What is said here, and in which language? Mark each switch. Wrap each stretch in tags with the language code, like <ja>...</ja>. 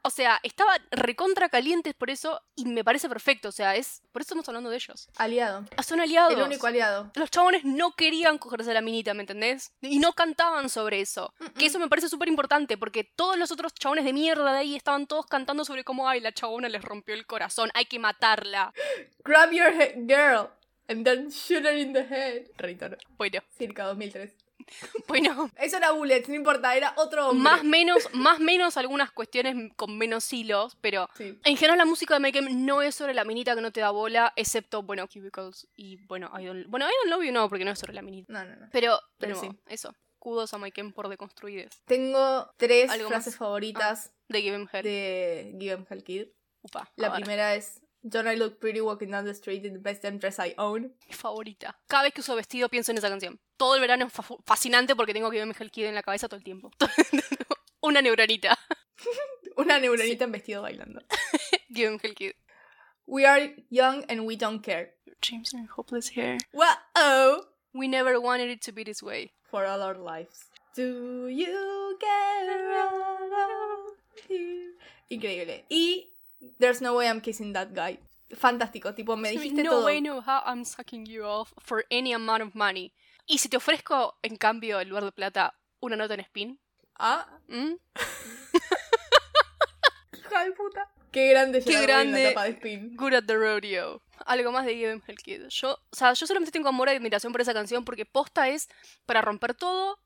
<es>O sea, estaba recontra calientes por eso, y me parece perfecto, o sea, es... Por eso estamos hablando de ellos. Aliado. Son aliados. El único aliado. Los chabones no querían cogerse la minita, ¿me entendés? Y no cantaban sobre eso. Uh-uh. Que eso me parece súper importante, porque todos los otros chabones de mierda de ahí estaban todos cantando sobre cómo, ay, la chabona les rompió el corazón, hay que matarla.</es> <en>Grab your head, girl, and then shoot her in the head.</en> <es>Reitero. Bueno. Circa 2003. Bueno, eso era Bullets, no importa, era otro hombre. Más menos algunas cuestiones con menos hilos, pero sí. En general la música de Make-Em no es sobre la minita que no te da bola, excepto, bueno, Cubicles y, bueno,</es> <en>I don't love you,</en> <es>no, porque no es sobre la minita. No. Pero nuevo, sí. Eso, kudos a Make-Em por deconstruir. Tengo tres frases favoritas de Give 'Em Hell. De Give 'Em Hell Kid. Upa, la primera es...</es> <en>Don't I look pretty walking down the street in the best damn dress I own?</en> <es>Mi favorita. Cada vez que uso vestido pienso en esa canción. Todo el verano es fascinante porque tengo que verme Hell Kid en la cabeza todo el tiempo. Una neuronita. Una neuronita, sí. En vestido bailando.</es> <en>Give 'Em Hell Kid. We are young and we don't care. Your dreams are hopeless here. Wow. We never wanted it to be this way. For all our lives. Do you care?</en> <es>Increíble. Y...</es> <en>There's no way I'm kissing that guy.</en> <es>Fantástico, tipo, me dijiste no todo.</es> <en>No way, no how I'm sucking you off for any amount of money.</en> <es>Y si te ofrezco, en cambio, en lugar de plata, una nota en spin. Ah. ¿Mm? Hija de puta. Qué grande. Qué grande. La tapa de spin.</es> <en>Good at the rodeo.</en> <es>Algo más de</es> <en>Give 'Em Hell Kid.</en> <es>Yo solamente tengo amor y admiración por esa canción porque posta es para romper todo.</es>